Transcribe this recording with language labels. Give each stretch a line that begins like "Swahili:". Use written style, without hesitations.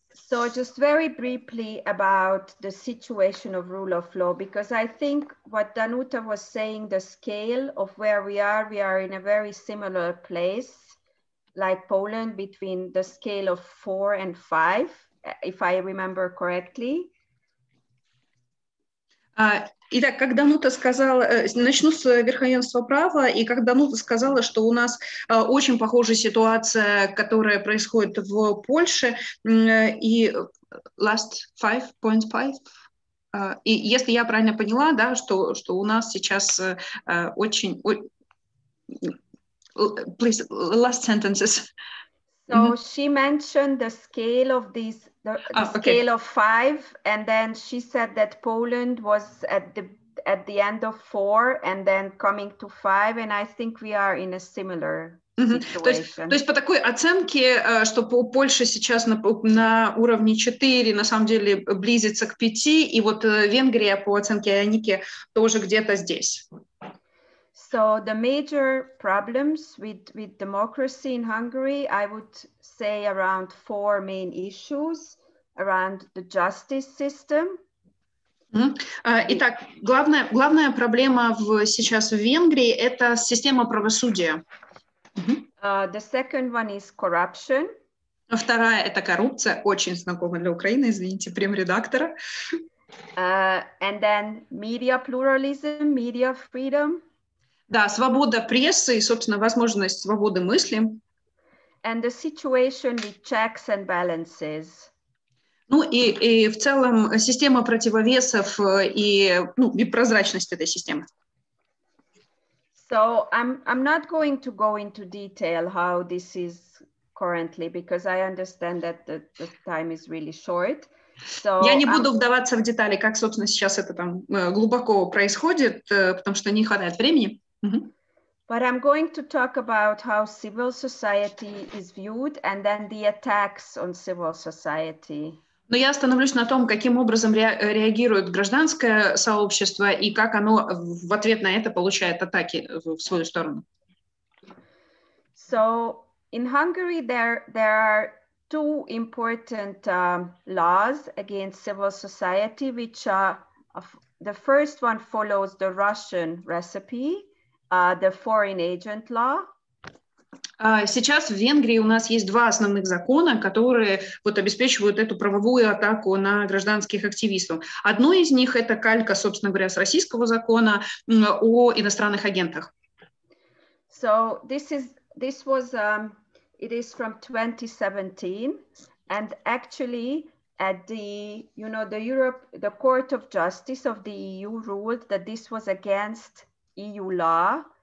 English: So just very briefly about the situation of rule of law, because I think what Danuta was saying, the scale of where we are in a very similar place, like Poland, between the scale of 4 and 5, if I remember correctly.
Russian: Итак, как Данута сказала, начну с верховенства права, и как Данута сказала, что у нас очень похожая ситуация, которая происходит в Польше, и
English: last 5.5,
Russian: и если я правильно поняла, да, что у нас сейчас очень...
English: Please, last sentences. So she mentioned the scale of this, scale of 5, and then she said that Poland was at the end of 4 and then coming to 5, and I think we are in a similar situation.
Russian: То есть по такой оценке, что Польша сейчас на уровне 4, на самом деле близится к 5, и вот Венгрия по оценке Аники тоже где-то здесь.
English: So the major problems with democracy in Hungary, I would say around 4 main issues around the justice system.
Russian: Итак, главная проблема сейчас в Венгрии — это система правосудия.
English: The second one is corruption.
Russian: Вторая — это коррупция, очень знакомая для Украины, извините, премредактора.
English: And then media pluralism, media freedom.
Russian: Да, свобода прессы и, собственно, возможность свободы мысли.
English: And the situation with checks and balances.
Russian: Ну и в целом система противовесов и, ну, и прозрачность этой системы.
English: So I'm not going to go into detail how this is currently, because I understand that the time is really short.
Russian: So я не буду вдаваться в детали, как, собственно, сейчас это там глубоко происходит, потому что не хватает времени.
English: But I'm going to talk about how civil society is viewed and then the attacks on civil society.
Russian: Но я остановлюсь на том, каким образом реагирует гражданское сообщество и как оно в ответ на это получает атаки в свою сторону.
English: So in Hungary there are two important laws against civil society, which are the first one follows the Russian recipe. The foreign agent law.
Russian: Сейчас в Венгрии у нас есть два основных закона, которые вот обеспечивают эту правовую атаку на гражданских активистов. Одно из них — это калька, собственно говоря, с российского закона о иностранных агентах.
English: So this was it is from 2017, and actually at the, you know, the Europe, the Court of Justice of the EU ruled that this was against EU law.